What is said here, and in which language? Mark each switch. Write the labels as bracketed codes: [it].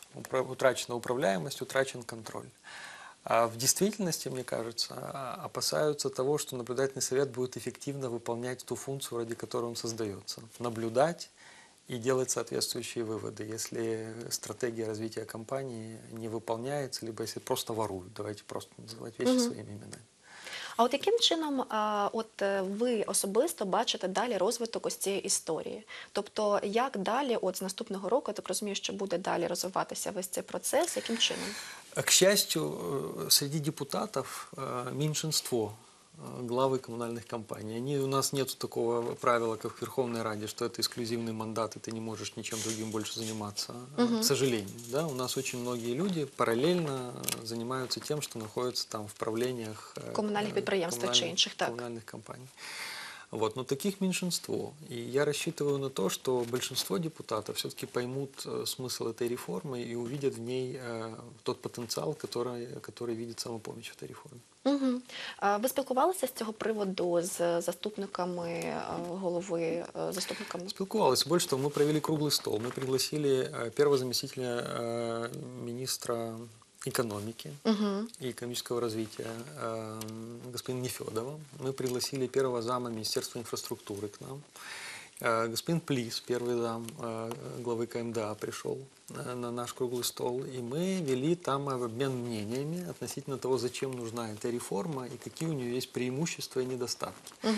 [ru] Утрачена управляемость, утрачен контроль. А в действительности, мне кажется, опасаются того, что наблюдательный совет будет эффективно выполнять ту функцию, ради которой он создается. Наблюдать и делать соответствующие выводы, если стратегия развития компании не выполняется, либо если просто воруют, давайте просто называть вещи своими именами. [uk] А от яким чином от ви особисто бачите далі розвиток ось цієї історії? Тобто, як далі, от з наступного року, я так розумію, що буде далі розвиватися весь цей процес, яким чином? [ru] К счастью, среди депутатов меньшинство главы коммунальных компаний. Они, у нас нет такого правила, как в Верховной Раде, что это эксклюзивный мандат, и ты не можешь ничем другим больше заниматься. К сожалению. Да, у нас очень многие люди параллельно занимаются тем, что находятся там в правлениях коммунальных предприятий или иных. Коммунальных компаний. Вот. Но таких меньшинство. И я рассчитываю на то, что большинство депутатов все-таки поймут смысл этой реформы и увидят в ней тот потенциал, который видит самопомощь в этой реформе. [uk] Ви спілкувалися з цього приводу з заступниками голови, заступниками? Спілкувалися. Більше того, ми провели круглий стіл. Ми [ru] пригласили [uk] першого заступника міністра економіки і економічного розвитку [ru] господина [uk] Нефьодова. Ми [ru] пригласили [uk] першого зама Міністерства інфраструктури [ru] к нам. Господин Плис, первый зам главы КМДА, пришел на наш круглый стол, и мы вели там обмен мнениями относительно того, зачем нужна эта реформа и какие у нее есть преимущества и недостатки.